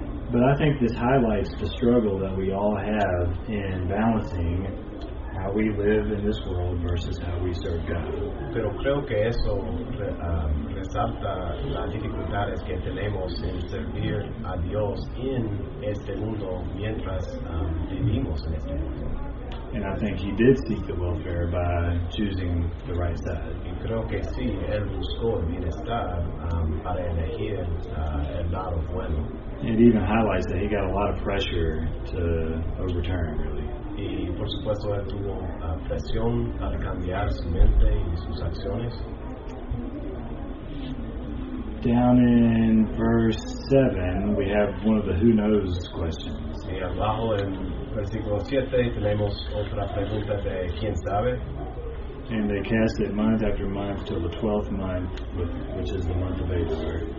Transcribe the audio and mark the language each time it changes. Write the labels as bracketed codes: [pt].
[en] But I think this highlights the struggle that we all have in balancing how we live in this world versus how we serve God. [es] Pero creo que eso resalta las dificultades que tenemos en servir a Dios en este mundo mientras vivimos en este mundo. [en] And I think he did seek the welfare by choosing the right side. [es] Y creo que sí, él buscó el bienestar para elegir el lado bueno. [en] It even highlights that he got a lot of pressure to overturn, really. [es] Y por supuesto, él tuvo presión para cambiar su mente y sus acciones. [en] Down in verse 7, we have one of the who knows questions. [es] Y abajo en versículo 7 tenemos otra pregunta de quién sabe. [en] And they cast it month after month till the 12th month, which is the month of Adar.